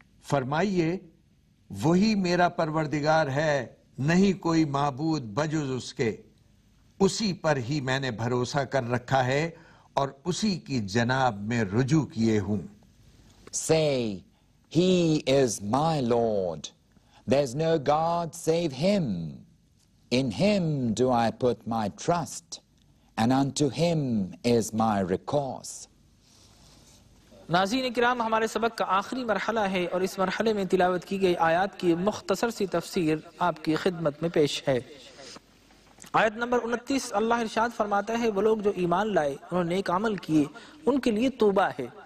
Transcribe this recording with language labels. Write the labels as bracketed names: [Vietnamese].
[Urdu] فرمائیے، وہی میرا پروردگار ہے، نہیں کوئی معبود بجز اس کے، اسی پر ہی میں نے بھروسہ کر رکھا ہے اور اسی کی جناب میں رجوع کیے ہوں. [English] Say, he is my Lord, there's no God save him, in him do I put my trust, and unto him is my recourse. [Urdu] ناظرین کرام، ہمارے سبق کا آخری مرحلہ ہے، اور اس مرحلے میں تلاوت کی گئی آیات کی مختصر سی تفسیر آپ کی خدمت میں پیش ہے. آیت نمبر 29، اللہ ارشاد فرماتا ہے، وہ لوگ جو ایمان لائے، انہوں نے نیک عمل کیے، ان کے لیے توبہ ہے.